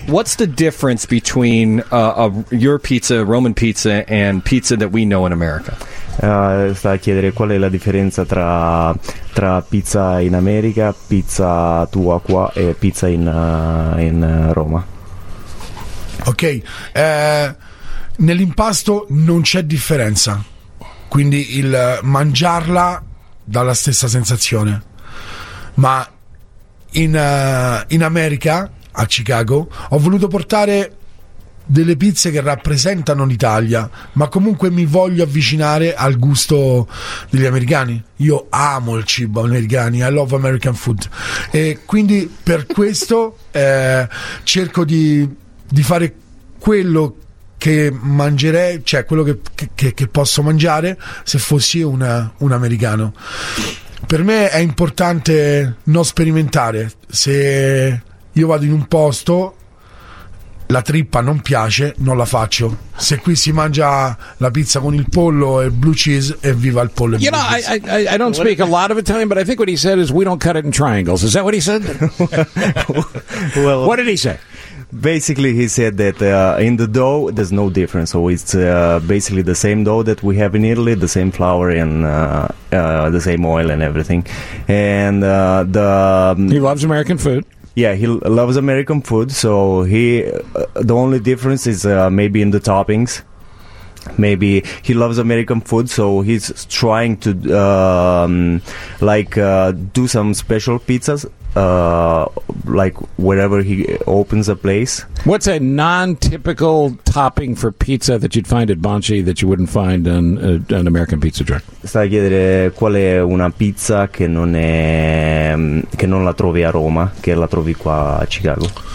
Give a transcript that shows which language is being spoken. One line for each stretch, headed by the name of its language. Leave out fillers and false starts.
English: What's the difference between your pizza, Roman pizza, and pizza that we know in America?
Italian: Sta a chiedere qual è la differenza tra pizza in America, pizza tua qua e pizza in Roma. Ok, nell'impasto non c'è differenza, quindi il mangiarla dà la stessa sensazione, ma in America, a Chicago, ho voluto portare delle pizze che rappresentano l'Italia, ma comunque mi voglio avvicinare al gusto degli americani. Io amo il cibo americano,
English: I love American food,
Italian: e quindi per questo cerco di fare quello che mangerei, cioè quello che posso mangiare se fossi un americano. Per me è importante non sperimentare. Se io vado in un posto, la trippa non piace, non la faccio. Se qui si mangia la pizza con il pollo e blue cheese, e viva il pollo e blue cheese.
English: I don't speak a lot of Italian, but I think what he said is we don't cut it in triangles. Is that what he said? Well, what did he say? Basically, he said that in the dough, there's no difference. So it's basically the same dough that we have in Italy, the same flour and the same oil and everything. And he loves American food. Yeah, he loves American food, so the only difference is maybe in the toppings. Maybe he loves American food, so he's trying to do some special pizzas, like wherever he opens a place. What's a non-typical topping for pizza that you'd find at Bonchi that you wouldn't find in an American pizza joint?
Italian: Sta a chiedere qual è una pizza che non la trovi a Roma, che la trovi qua a Chicago.